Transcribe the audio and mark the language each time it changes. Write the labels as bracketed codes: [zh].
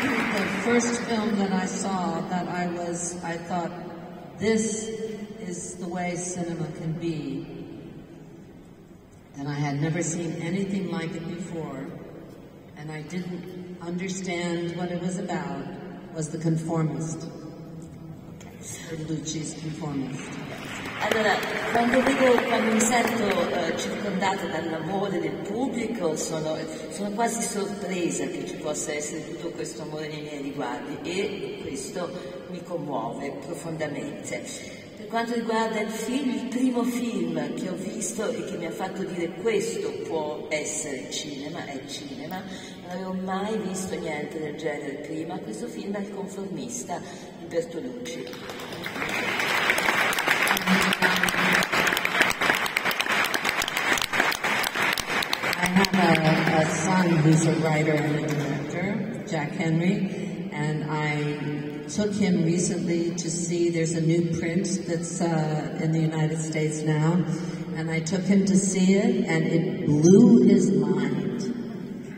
[en] the first film that I saw that I thought this is the way cinema can be. And I had never seen anything like it before, and I didn't understand what it was about, was The Conformist. Lucci's Conformist. [it] Allora, quando mi sento circondata dall'amore del pubblico, sono quasi sorpresa che ci possa essere tutto questo amore nei miei riguardi, e questo mi commuove profondamente. Per quanto riguarda il film, il primo film che ho visto e che mi ha fatto dire questo può essere cinema, è cinema, non avevo mai visto niente del genere prima, questo film è Il Conformista di Bertolucci. [en] I have a son who's a writer and a director, Jack Henry, and I took him recently to see, there's a new print that's in the United States now, and I took him to see it, and it blew his mind.